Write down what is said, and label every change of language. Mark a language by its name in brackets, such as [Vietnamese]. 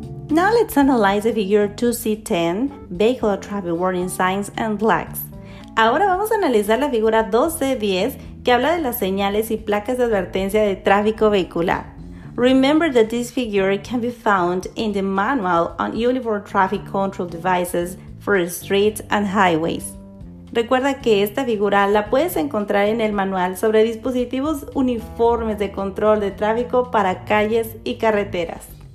[English] Now let's analyze the figure 2C10, vehicle traffic warning signs and flags. [Spanish] Ahora vamos a analizar la figura 2C10, que habla de las señales y placas de advertencia de tráfico vehicular. [English] Remember that this figure can be found in the manual on uniform traffic control devices for streets and highways. [Spanish] Recuerda que esta figura la puedes encontrar en el manual sobre dispositivos uniformes de control de tráfico para calles y carreteras.